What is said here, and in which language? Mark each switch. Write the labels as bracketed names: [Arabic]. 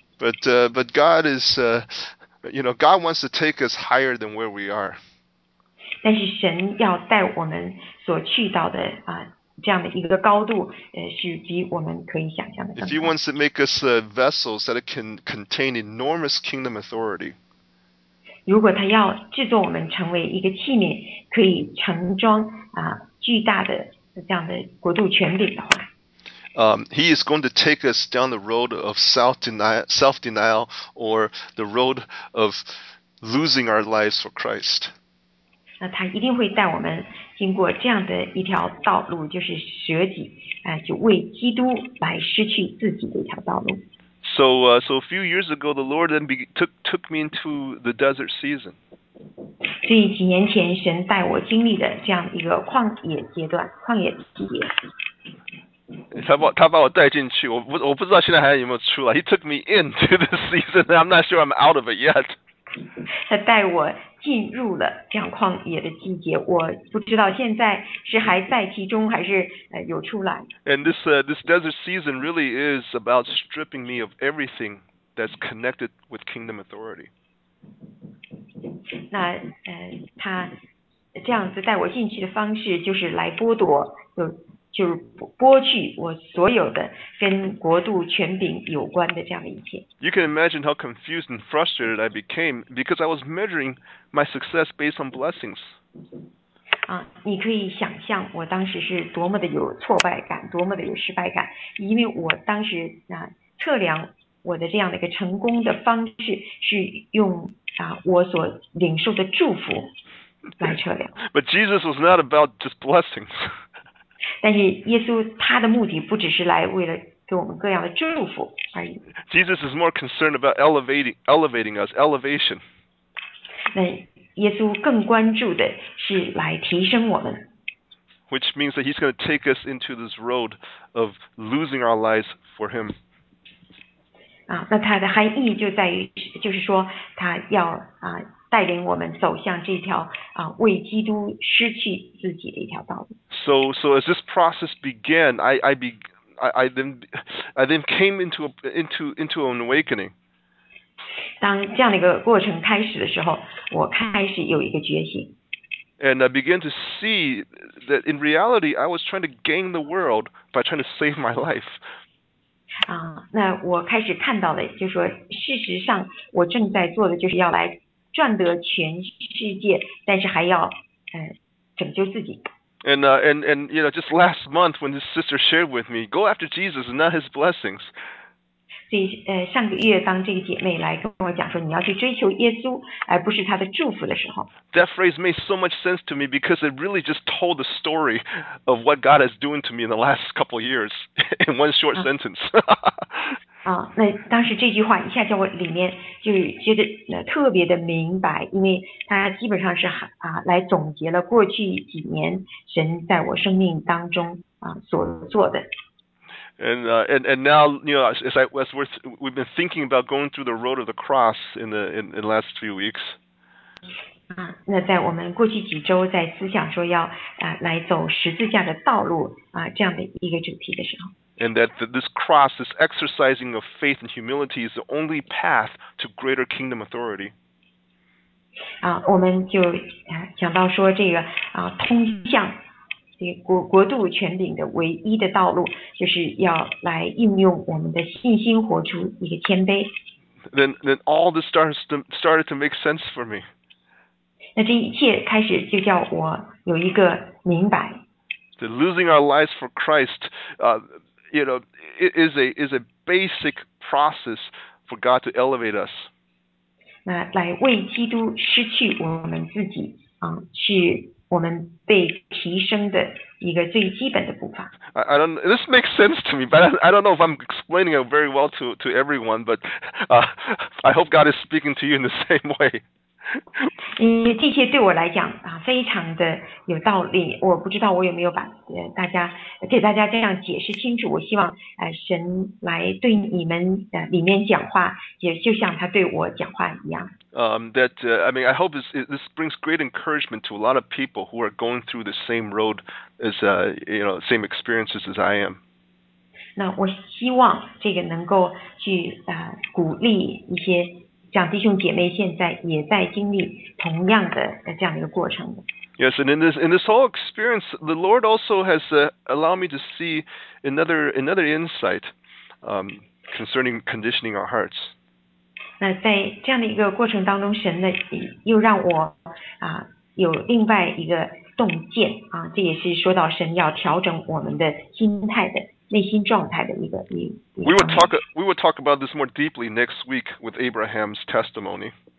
[English] But God is, you know, God wants to take us higher than where we are. [Chinese] 但是神要带我们所去到的啊这样的一个高度，是比我们可以想象的。 [English] If He wants to make us vessels that can contain enormous kingdom authority. [Chinese] 如果他要制作我们成为一个器皿，可以盛装啊巨大的这样的国度权柄的话。 [English] He is going to take us down the road of self-denial or the road of losing our lives for Christ. [Chinese] 那他一定会带我们经过这样的一条道路，就是舍己，就为基督来失去自己的一条道路。 [English] So a few years ago, the Lord then took me into the desert season. [Chinese] 所以几年前，神带我经历的这样一个旷野阶段，旷野季节。他把我带进去，我不知道现在还有没有出来。 [English] He took me into the season. I'm not sure I'm out of it yet. [Chinese] 他带我进入了这样旷野的季节，我不知道现在是还在其中还是有出来。 [English] And this this desert season really is about stripping me of everything that's connected with kingdom authority. [Chinese] 那他这样子带我进去的方式就是来剥夺就是剥去我所有的跟国度权柄有关的这样的一切。 [English] You can imagine how confused and frustrated I became because I was measuring my success based on blessings. [Chinese] 啊，你可以想象我当时是多么的有挫败感，多么的有失败感，因为我当时啊测量我的这样的一个成功的方式是用啊我所领受的祝福来测量。 [English] But Jesus was not about just blessings. [Chinese] 但是耶稣他的目的不只是来为了给我们各样的祝福而已。 [English] Jesus is more concerned about elevating us, elevation. [Chinese] 那耶稣更关注的是来提升我们。 [English] Which means that he's going to take us into this road of losing our lives for him. [Chinese] 啊，那他的含义就在于，就是说他要啊带领我们走向这条啊为基督失去自己的一条道路。 [English] So as this process began, I then came into an awakening. [Chinese] 当这样的一个过程开始的时候，我开始有一个觉醒。 [English] And I began to see that in reality, I was trying to gain the world by trying to save my life. [Chinese] 啊，那我开始看到了，就是说事实上我正在做的就是要来赚得全世界，但是还要拯救自己。 [English] And you know, just last month when this sister shared with me, go after Jesus and not his blessings. [Chinese] 所以上个月当这个姐妹来跟我讲说你要去追求耶稣而不是他的祝福的时候， [English] that phrase made so much sense to me because it really just told the story of what God is doing to me in the last couple of years in one short sentence. [Chinese] 啊，那当时这句话一下叫我里面就是觉得特别的明白，因为他基本上是啊来总结了过去几年神在我生命当中啊所做的。 [English] And now you know we've been thinking about going through the road of the cross in the last few weeks. [Chinese] 那在我们过去几周在思想说要来走十字架的道路这样的一个主题的时候。 [English] And that this cross, this exercising of faith and humility is the only path to greater kingdom authority. [Chinese] 我们就讲到说这个通向这个国度权柄的唯一的道路，就是要来运用我们的信心活出一个谦卑。 [English] Then all this started to make sense for me. [Chinese] 那这一切开始就叫我有一个明白。 [English] That losing our lives for Christ, you know, is a basic process for God to elevate us. [Chinese] 那来为基督失去我们自己，去。我们被提升的一个最基本的步伐。 [English] I don't. This makes sense to me, but I don't know if I'm explaining it very well to everyone. But I hope God is speaking to you in the same way. [Chinese] 这些对我来讲非常的有道理。我不知道我有没有把大家给大家这样解释清楚。我希望神来对你们里面讲话，也就像他对我讲话一样。 [English] I hope this brings great encouragement to a lot of people who are going through the same road as same experiences as I am. [Chinese] 那我希望这个能够去鼓励一些像弟兄姐妹现在也在经历同样的这样一个过程。 [English] Yes, and in this whole experience, the Lord also has allowed me to see another insight concerning conditioning our hearts. [Chinese] 那在这样的一个过程当中，神呢又让我有另外一个洞见这也是说到神要调整我们的心态的。内心状态的一个 [English] We will talk about this more deeply next week with Abraham's testimony.